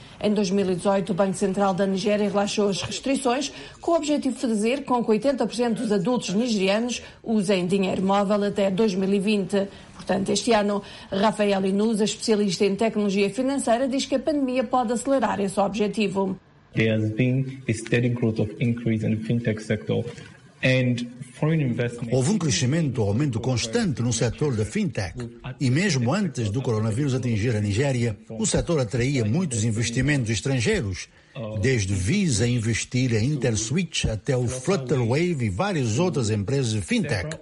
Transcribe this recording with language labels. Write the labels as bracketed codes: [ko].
[pt] Em 2018, o Banco Central da Nigéria relaxou as restrições com o objetivo de fazer com que 80% dos adultos nigerianos usem dinheiro móvel até 2020. Portanto, este ano, Rafael Inusa, especialista em tecnologia financeira, diz que a pandemia pode acelerar esse objetivo. [en] there has been a steady growth of increase in the fintech sector. [pt] Houve um crescimento, um aumento constante no setor da fintech. E mesmo antes do coronavírus atingir a Nigéria, o setor atraía muitos investimentos estrangeiros, desde Visa investir em Interswitch até o Flutterwave e várias outras empresas de fintech.